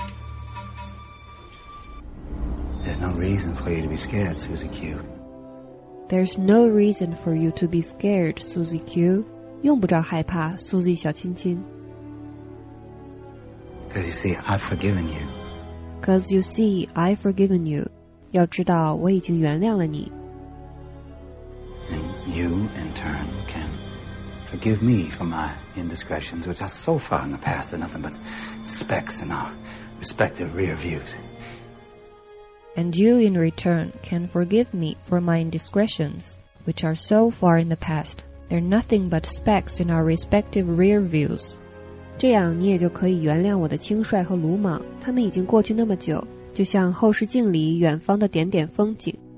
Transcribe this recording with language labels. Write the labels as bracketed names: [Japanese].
[English] Right? There's no reason for you to be scared, Susie Q. There's no reason for you to be scared, Susie Q. [Chinese] 用不着害怕，苏西小亲亲。 [English] Because you see, I've forgiven you. Because you see, I've forgiven you. [Chinese] 要知道，我已经原谅了你。 [English] And you, in turn, can. Forgive me for my indiscretions, which are so far in the past they're nothing but specks in our respective rear views. And you, in return, can forgive me for my indiscretions, which are so far in the past they're nothing but specks in our respective rear views. [Chinese] 这样你也就可以原谅我的轻率和鲁莽，他们已经过去那么久，就像后视镜里远方的点点风景。